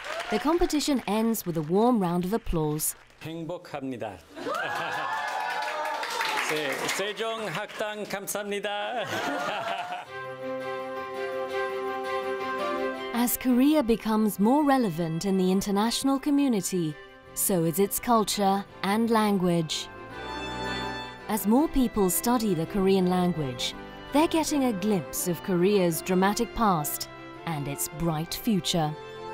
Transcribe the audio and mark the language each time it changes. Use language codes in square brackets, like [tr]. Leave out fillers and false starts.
[en] The competition ends with a warm round of applause. [ko] 행복합니다. 네, 세종학당 감사합니다. [en] As Korea becomes more relevant in the international community, so is its culture and language. As more people study the Korean language, they're getting a glimpse of Korea's dramatic past and its bright future.